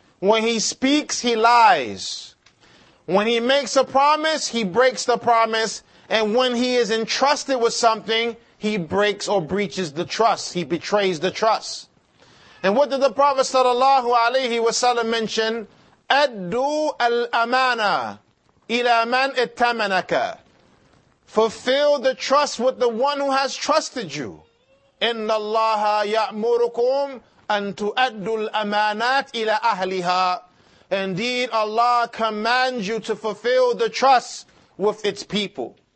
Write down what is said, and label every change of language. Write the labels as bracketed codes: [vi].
[en] When he speaks, he lies. When he makes a promise, he breaks the promise. And when he is entrusted with something, he breaks or breaches the trust. He betrays the trust. And what did the Prophet sallallahu alayhi wa sallam mention? [ar] أدو الأمانة إِلَى مَنْ اِتَّمَنَكَ. [en] Fulfill the trust with the one who has trusted you. [ar] إِنَّ اللَّهَ يَأْمُرُكُمْ أَنْ تُؤَدُّ الْأَمَانَاتِ إِلَى أَهْلِهَا. [en] Indeed, Allah commands you to fulfill the trust with its people.